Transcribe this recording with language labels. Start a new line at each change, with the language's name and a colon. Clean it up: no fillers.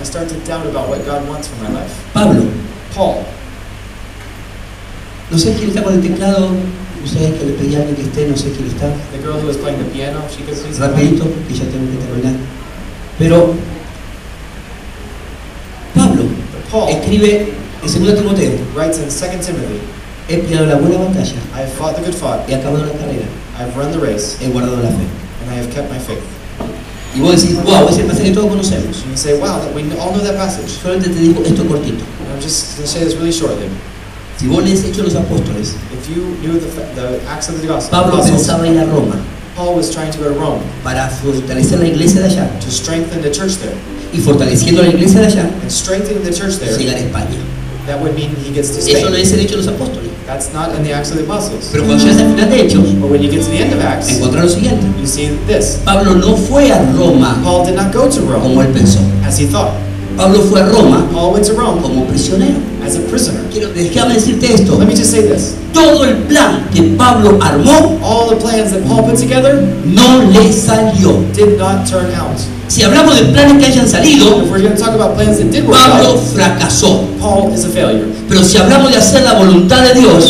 English: I start to doubt about what God wants for my life.
Spanish: Pablo.
English: Paul.
Spanish: No sé quién está con el teclado. No sé que le pedí a alguien que esté, no sé quién está.
English: The girl who was playing the piano, she could please.
Spanish: Rapidito, que ya tengo que terminar. Pero Pablo,
English: Paul,
Spanish: escribe en 2 Timoteo.
English: Writes in 2 Timothy.
Spanish: He peleado la buena batalla.
English: I have fought the good fight.
Spanish: He acabado la carrera.
English: I have run the race.
Spanish: He guardado la fe.
English: And I have kept my faith.
Spanish: Y vos decís, wow, es el pasaje que todos conocemos.
English: And you say, wow, that we all know that passage.
Spanish: Solamente te digo esto cortito.
English: And I'm just going to say this really shortly.
Spanish: Si vos lees Hechos de los Apóstoles,
English: if you knew the Acts of the Gospel,
Spanish: Pablo pensaba ir a Roma,
English: Paul was trying to go to Rome,
Spanish: para fortalecer la iglesia de allá,
English: to strengthen the church there,
Spanish: y fortaleciendo la iglesia de allá,
English: and strengthening the church there,
Spanish: llegar a España.
English: That would mean he gets to Spain.
Spanish: Eso no es el Hechos de los Apóstoles.
English: That's not in the Acts of the Apostles.
Spanish: Pero cuando llegas al final de Hechos,
English: but when you get to the end of Acts,
Spanish: encuentras lo siguiente.
English: You see this.
Spanish: Pablo no fue a Roma,
English: Paul did not go to Rome,
Spanish: como él pensó,
English: as he thought.
Spanish: Pablo fue a Roma,
English: Paul went to Rome,
Spanish: como prisionero.
English: As a prisoner.
Spanish: Quiero, déjame decirte esto.
English: Let me just say this.
Spanish: Todo el plan que Pablo armó,
English: all the plans that Paul put together,
Spanish: no le salió.
English: Did not turn out.
Spanish: Si hablamos de planes que hayan salido,
English: if we're going to talk about plans that did
Spanish: Pablo
English: work out,
Spanish: fracasó.
English: Paul is a failure.
Spanish: Pero si hablamos de hacer la voluntad de Dios,